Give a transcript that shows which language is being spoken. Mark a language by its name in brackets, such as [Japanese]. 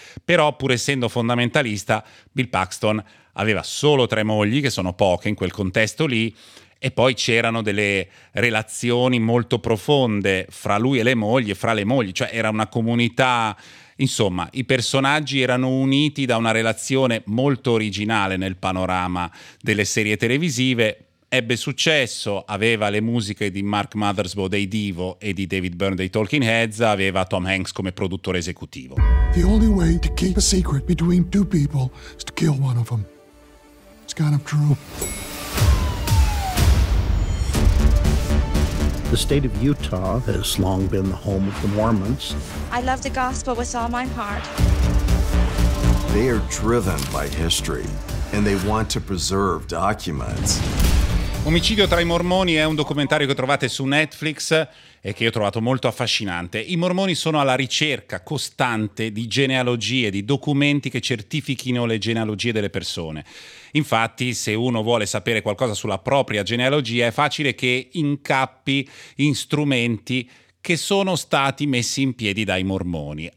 [Italian] Però, pur essendo fondamentalista, Bill Paxton aveva solo tre mogli, che sono poche in quel contesto lì, e poi c'erano delle relazioni molto profonde fra lui e le mogli, e fra le mogli, cioè era una comunità, insomma, i personaggi erano uniti da una relazione molto originale nel panorama delle serie televisive, ebbe successo, aveva le musiche di Mark Mothersbaugh dei Devo e di David Byrne dei Talking Heads, aveva Tom Hanks come produttore esecutivo. [English] The only way to keep a secret between two people is to kill one of them. It's kind of true. The state of Utah has long been the home of the Mormons. I love the gospel with all my heart. They are driven by history, and they want to preserve documents. [Italian] Omicidio tra i mormoni è un documentario che trovate su Netflix e che io ho trovato molto affascinante. I mormoni sono alla ricerca costante di genealogie, di documenti che certifichino le genealogie delle persone. Infatti, se uno vuole sapere qualcosa sulla propria genealogia, è facile che incappi in strumenti che sono stati messi in piedi dai mormoni.